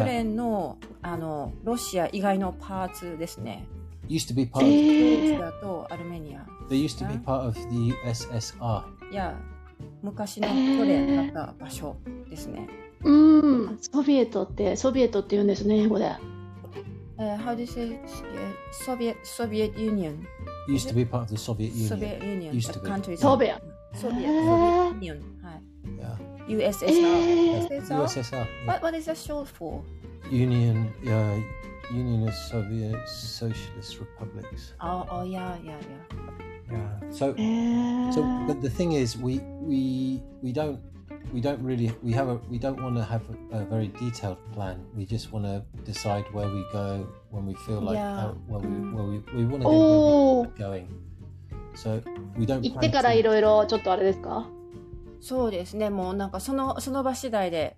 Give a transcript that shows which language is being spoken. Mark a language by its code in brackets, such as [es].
[ja] ソ連のあのロシア以外のパーツですね。 [en] Used to be part of [ja] Georgia とアルメニア。 [en] They used to be part of the USSR. [ja] Yeah, 昔のソ連だった場所ですね。ソビエトって言うんですね、英語で。 [en] How do you say Soviet Union? Used to be part of the Soviet Union. Soviet Union, used to be. Countries. Soviet. Soviet Union. Yeah. USSR. USSR. What is that short for? Union. Union of Soviet Socialist Republics. Oh yeah. So, but the thing is, we don't want to have a very detailed plan. We just want to decide where we go when we feel like where we want to be going. So we don't. [ja] 行ってからいろいろちょっとあれですか？そうですね。もうなんかその場次第で。